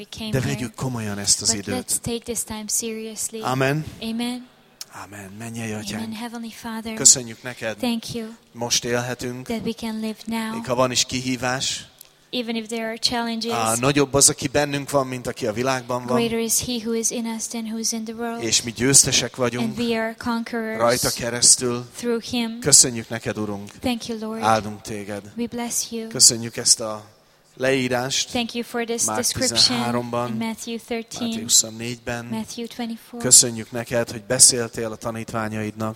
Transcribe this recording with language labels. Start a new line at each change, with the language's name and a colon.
Hungarian: De vegyük komolyan ezt az időt. Amen. Amen. Mennyei Atyánk.
English: Amen, Heavenly Father.
Hungarian: Köszönjük neked.
English: Thank you.
Hungarian: Most élhetünk.
English: That we can live now.
Hungarian: Még ha van is kihívás.
English: Even if there are challenges.
Hungarian: Nagyobb az, aki bennünk van, mint aki a világban van.
English: Greater is he who is in us than who is in the world.
Hungarian: És mi győztesek vagyunk.
English: And we are conquerors.
Hungarian: Rajta keresztül.
English: Through him.
Hungarian: Köszönjük neked, Urunk.
English: Thank you, Lord.
Hungarian: Áldunk téged.
English: We bless you.
Hungarian: Köszönjük ezt a leírást.
English: Thank you for this
Hungarian: Márk
English: description.
Hungarian: Márk 13-ban.
English: Matthew 13.
Hungarian: Márk 24-ben.
English: Matthew 24.
Hungarian: Köszönjük neked, hogy beszéltél a tanítványaidnak.